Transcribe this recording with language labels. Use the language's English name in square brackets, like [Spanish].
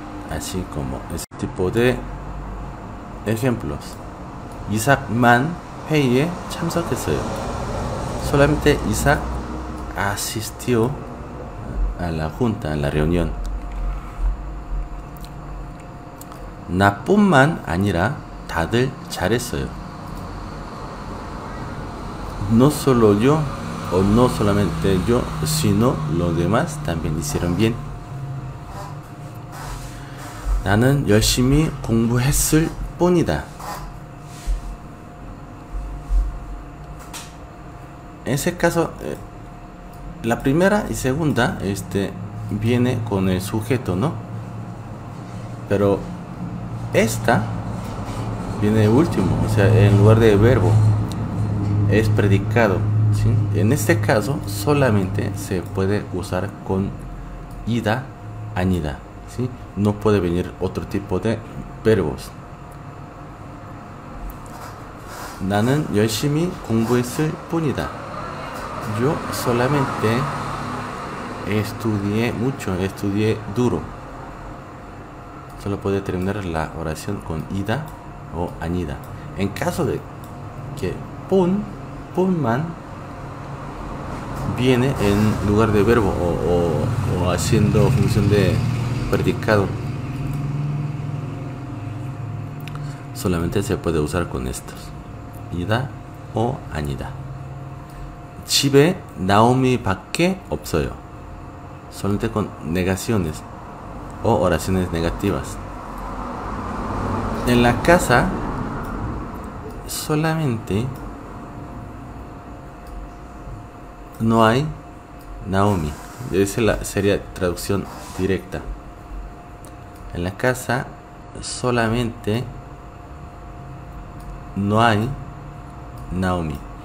[Spanish] Así como ese tipo de ejemplos. Isaac Mann, Heye, Chamsa, solamente Isaac asistió a la junta, a la reunión. [Korean] 나뿐만 아니라 다들 잘했어요. [Spanish] No solo yo, o no solamente yo, sino los demás también hicieron bien. [Korean] 나는 열심히 공부했을 뿐이다. [Spanish] Ese caso, la primera y segunda, viene con el sujeto, ¿no? Pero esta viene último, o sea, en lugar de verbo, es predicado, ¿sí? En este caso, solamente se puede usar con ida, anida, ¿sí? No puede venir otro tipo de verbos. [Korean] 나는 열심히 공부했을 뿐이다. [Spanish] Yo solamente estudié mucho, estudié duro. Solo puede terminar la oración con ida o añida. En caso de que punman viene en lugar de verbo o haciendo función de predicado, solamente se puede usar con estos: ida o añida. [Korean] 집에 나오미밖에 없어요. [Spanish] Solamente con negaciones o oraciones negativas. En la casa solamente no hay Naomi. Esa sería traducción directa. En la casa solamente no hay Naomi.